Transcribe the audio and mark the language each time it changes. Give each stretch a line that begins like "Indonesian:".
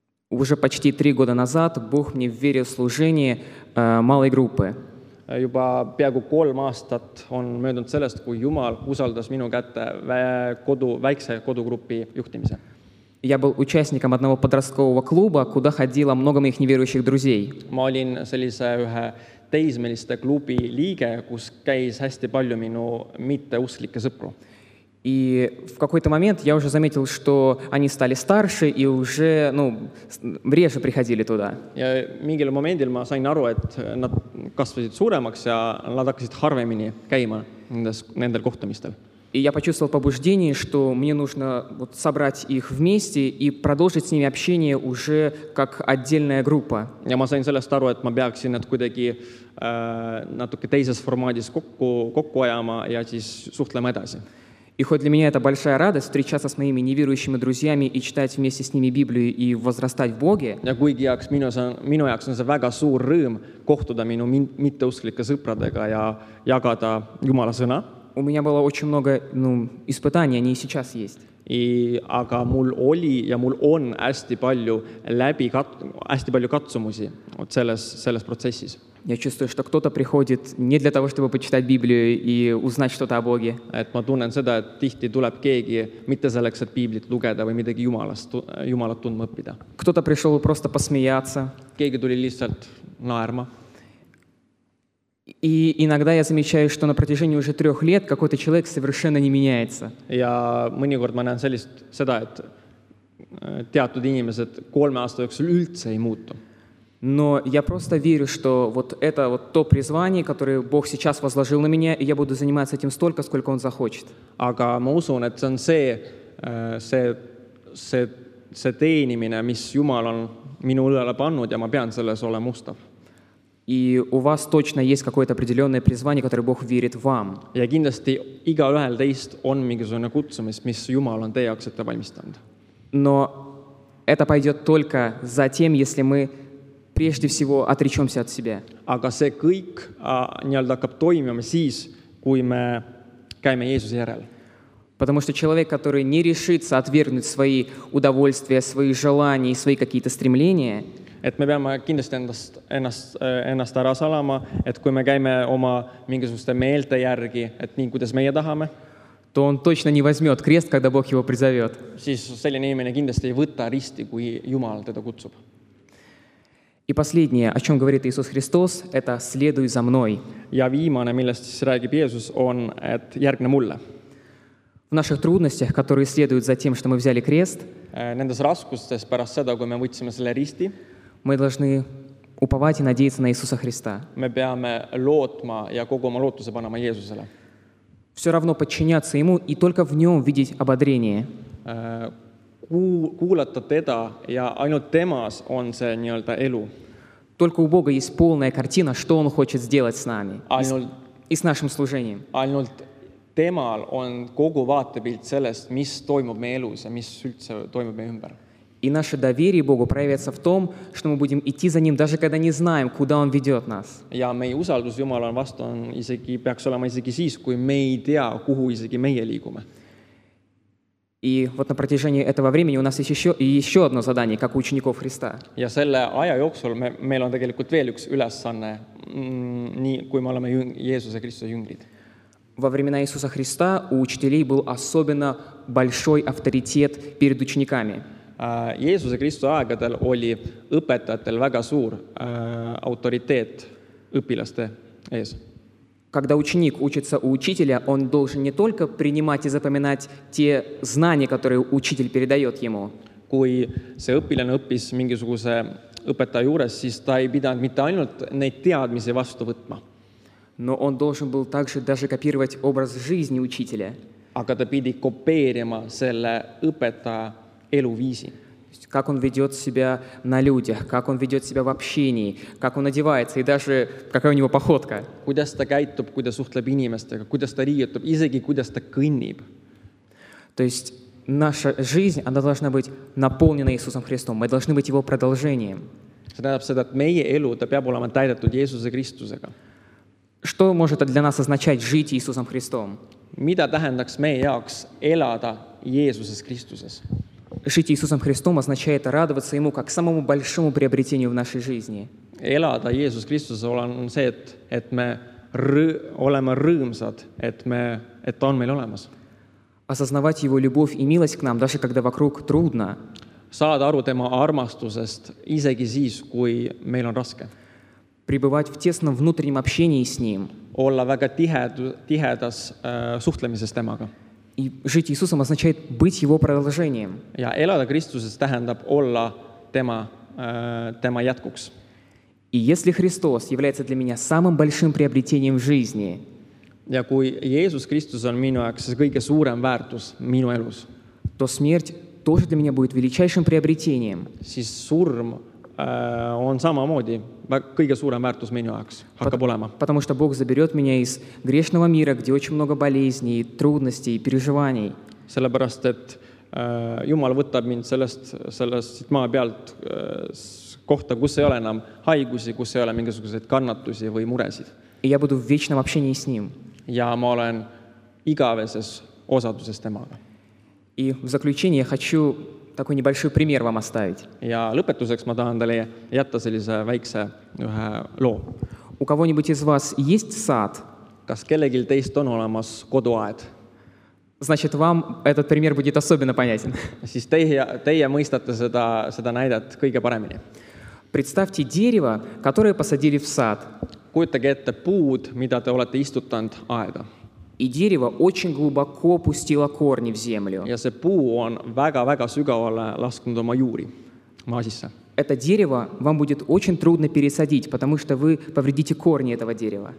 Russian: Уже почти 3 года назад Бог мне вверил служение малой группы.
Estonian: Juba peaaegu 3 aastat on möödunud sellest, kui Jumal usaldas minu kätte väikse kodugruppi juhtimise.
Russian: Я был участником одного подросткового клуба, куда ходило много моих неверующих друзей.
Estonian: Ma olin sellise ühe teismeliste klubi liige, kus käis hästi palju minu mitteusklike sõpru.
Russian: И в какой-то момент я уже заметил, что они стали старше и уже, ну, реже приходили туда.
Estonian: Ja mingil momentil ma sain aru, et nad kasvasid suuremaks ja nad hakkasid harvemini käima nendel kohtumistel.
Russian: И я почувствовал побуждение, что мне нужно вот собрать их вместе и продолжить с ними общение уже как отдельная группа.
Estonian: Ja ma sain sellest aru, et ma peaksin nad kuidagi natuke teises formaadis kokku ajama ja siis suhtlema edasi.
Russian: И хоть для меня это большая радость встречаться с моими неверующими друзьями и читать вместе с ними Библию и возрастать в Боге.
Estonian: Ja kuigi jaoks minu jaoks on see väga suur rõõm kohtuda minu mitteusklike sõpradega ja jagada Jumala sõna.
Russian: У меня было очень много, ну, испытаний, они и сейчас есть.
Estonian: И aga mul oli ja mul on hästi palju läbi hästi palju katsumusi
Russian: вот
Estonian: selles protsessis.
Russian: Я чувствую, что кто-то приходит не для того, чтобы почитать Библию и узнать что-то о Боге.
Estonian: Et ma tunnen seda, et tihti tuleb keegi mitte selleks, et Biiblit lugeda või midagi Jumalat tundma õppida.
Russian: Кто-то пришел просто посмеяться.
Estonian: Keegi tuli lihtsalt naerma.
Russian: И иногда я замечаю, что на протяжении уже 3 лет какой-то человек совершенно не меняется.
Estonian: Ja mõnikord ma näen sellist seda, et teatud inimesed 3 aasta jooksul üldse ei muutu.
Russian: Но я просто верю, что вот это вот то призвание, которое Бог сейчас возложил на меня, и я буду заниматься этим столько, сколько Он захочет.
Estonian: Aga ma usun, et see on see teenimine, mis Jumal on minu õlale pannud, ja ma pean selles olema ustav.
Russian: И у вас точно есть какое-то определенное призвание, которое Бог верит вам.
Estonian: Ja kindlasti igaühel teist on mingisugune kutsumis, mis Jumal on teie jaoks ette valmistanud.
Russian: Но это пойдет только за тем, если мы прежде всего отречемся от себя.
Estonian: Aga see kõik nii-öelda hakkab toimima siis, kui me käime Jeesuse järel.
Russian: Потому что человек, который не решится отвергнуть свои удовольствия, свои желания и свои какие-то стремления,
Estonian: et me peame kindlasti ennast ära salama, et kui me käime oma mingisuguste meelte järgi, et nii kuidas meie tahame,
Russian: то он точно не возьмет крест, когда Бог его призовет.
Estonian: Siis selline inimene kindlasti ei võta risti, kui Jumal teda kutsub.
Russian: И последнее, о чем говорит Иисус Христос, это «следуй за мной».
Estonian: Ja viimane, millest siis räägib Jeesus, on, et järgne mulle.
Russian: В наших трудностях, которые следуют за тем, что мы взяли крест,
Estonian: nendes raskustes pärast seda, kui me võtsime selle risti,
Russian: мы должны уповать и надеяться на Иисуса Христа.
Estonian: Me peame lootma ja kogu oma lootuse panema Jeesusele.
Russian: Все равно подчиняться Ему и только в Нем видеть ободрение.
Estonian: Kuulata teda ja ainult temas on see nii-öelda elu.
Russian: Только у Бога есть полная картина, что Он хочет сделать с нами и с нашим служением.
Estonian: Ainult temal on kogu vaatepilt sellest, mis toimub meie elus ja mis üldse toimub meie ümber.
Russian: И наше доверие Богу проявится в том, что мы будем идти за Ним, даже когда не знаем, куда Он ведет нас.
Estonian: Ja meie usaldus Jumala on vastu on isegi, peaks olema isegi siis, kui me ei tea, kuhu isegi meie liigume.
Russian: И вот на протяжении этого времени у нас есть еще одно задание, как у учеников Христа.
Estonian: Ja selle aja jooksul meil on tegelikult veel üks ülesanne, nii kui me oleme Jeesuse Kristuse jüngrid.
Russian: Во времена Иисуса Христа у учителей был особенно большой авторитет перед учениками.
Estonian: Jeesuse Kristuse aegadel oli õpetajatel väga suur autoriteet õpilaste ees.
Russian: Когда ученик учится у учителя, он должен не только принимать и запоминать те знания, которые учитель передает ему.
Estonian: Kui see õpilane õppis mingisuguse õpetaja juures, siis ta ei pidanud mitte ainult neid teadmisi vastu võtma.
Russian: Но он должен был также даже копировать образ жизни учителя.
Estonian: Aga ta pidi kopeerima selle õpetaja eluviisi.
Russian: Как он ведет себя на людях, как он ведет себя в общении, как он одевается и даже какая у него походка.
Estonian: Kuidas ta käitub, kuidas suhtleb inimestega, kuidas ta riietub, isegi kuidas ta kõnnib.
Russian: То есть наша жизнь, она должна быть наполнена Иисусом Христом. Мы должны быть Его продолжением.
Estonian: See tähendab seda, et meie elu, ta peab olema täidetud Jeesuse Kristusega.
Russian: Что может для нас означать жить Иисусом Христом?
Estonian: Mida tähendaks meie jaoks elada Jeesuses Kristuses?
Russian: Жить Иисусом Христом означает радоваться Ему как самому большому приобретению в нашей жизни.
Estonian: Elada Jeesus Kristus on see, et me oleme rõõmsad, et ta on meil olemas.
Russian: Осознавать Его любовь и милость к нам, даже когда вокруг трудно.
Estonian: Saada aru tema armastusest isegi siis, kui meil on raske.
Russian: Pribывать в тесном внутреннем общении с Ним.
Estonian: Olla väga tihedas suhtlemises temaga.
Russian: И жить Иисусом означает быть Его продолжением.
Estonian: Ja elada Kristuses tähendab olla tema jätkuks.
Russian: И если Христос является для меня самым большим приобретением в жизни,
Estonian: ja kui Jeesus Kristus on minu jaoks kõige suurem väärtus minu elus,
Russian: то смерть тоже для меня будет величайшим приобретением.
Estonian: Siis surm on samamoodi kõige suurem väärtus minu jaoks hakkab olema.
Russian: Потому что Бог заберёт меня из грешного мира, где очень много болезней, трудностей и переживаний.
Estonian: Sellepärast, et Jumal võtab mind sellest maa pealt kohta, kus ei ole enam haigusi, kus ei ole mingisuguseid kannatusi või muresid.
Russian: Я буду в вечном общении с ним.
Estonian: Ja ma olen igaveses osaduses temaga.
Russian: И в заключение я хочу такой небольшой пример вам оставить.
Estonian: Ja lõpetuseks ma tahan teile jätta sellise väikse ühe loo.
Russian: У кого-нибудь из вас есть сад?
Estonian: Kas kellegil teist on olemas koduaed?
Russian: Значит, вам этот пример будет особенно понятен.
Estonian: Siis teie mõistate seda näidat kõige paremini.
Russian: Представьте дерево, которое посадили в сад.
Estonian: Kujutage ette puud, mida te olete istutanud aeda.
Russian: И дерево очень глубоко пустило корни в землю.
Estonian: Ja see puu on väga-väga sügavale lasknud oma juuri, maa sisse.
Russian: Это дерево вам будет очень трудно пересадить, потому что вы повредите корни этого дерева.